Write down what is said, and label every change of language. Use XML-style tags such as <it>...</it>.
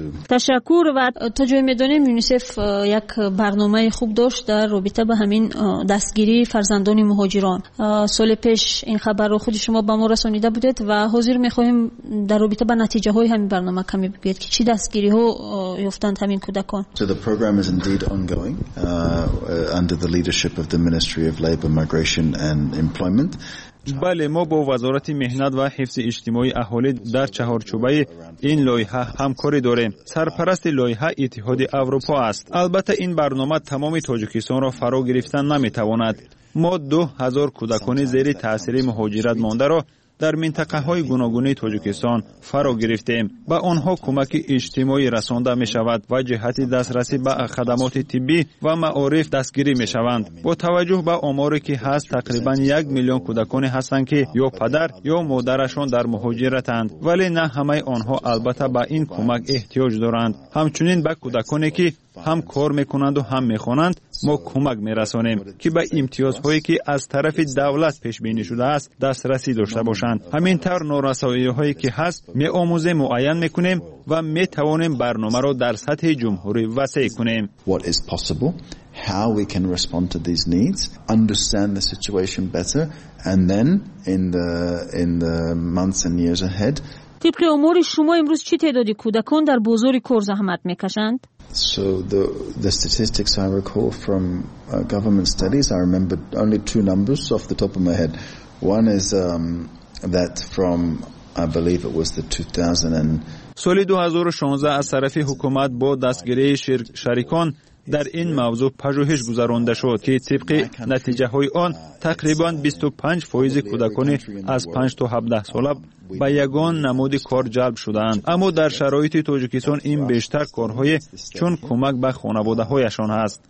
<fa>تشکر و تا جایی می دانیم یونیسف یک برنامه خوب داشت در رابطه به همین دستگیری فرزندان مهاجران. سال پیش این خبر رو خود شما به ما رسانیده بودید و حاضر می خواهیم در رابطه به نتیجه های همین برنامه کمی بگید که چی دستگیری ها یافتند همین کودکان.</fa> <en>So the program is indeed ongoing under the leadership of the Ministry of Labor, Migration and Employment.</en> <fa>بله، ما با وزارت مهنت و حفظ اجتماعی اهالی در چهارچوبه این لایحه همکاری داریم. سرپرست لایحه اتحاد اروپا است. البته این برنامه تمام تاجیکستان را فرا گرفتن نمیتواند. ما 2000 کودکان زیر تاثیر مهاجرت مانده را در منطقه های گوناگون تاجیکستان فرا گرفتیم. به آنها کمک اجتماعی رسانده می شود و جهت دسترسی به خدمات طبی و معارف دستگیری می شوند. با توجه به آماری که هست، تقریبا 1 میلیون کودکان هستند که یا پدر یا مادرشان در مهاجرتند، ولی نه همه آنها البته به این کمک احتیاج دارند. همچنین به کودکانی که هم کار میکنند و هم میخوانند ما کمک میرسانیم که به امتیازهایی که از طرف دولت پیش بینی شده است دسترسی داشته باشند. همین طور نورسایی هایی که هست میآموزیم، معین میکنیم و میتوانیم برنامه را در سطح جمهوری وسیع کنیم.</fa> <en>What is possible, how we can respond to these needs, understand the situation better, and then in the months and years ahead.</en> <fa>طبق امور شما امروز چه تعدادی کودکان در بازار کار زحمت میکشند؟</fa> <en>So the statistics I recall from government studies, I remember only two numbers off the top of my head. One is that from, I believe it was the 2000.</en> <fa>سال 2016 از طرف حکومت با دستگیری شریکان در این موضوع پژوهش گذرانده شد که طبق نتیجه های آن تقریبا 25% کودکان از 5 تا 17 ساله با یگان نمود کار جلب شدند. اما در شرایط تاجیکستان این بیشتر کارهای چون کمک به خانواده هایشان هست.</fa>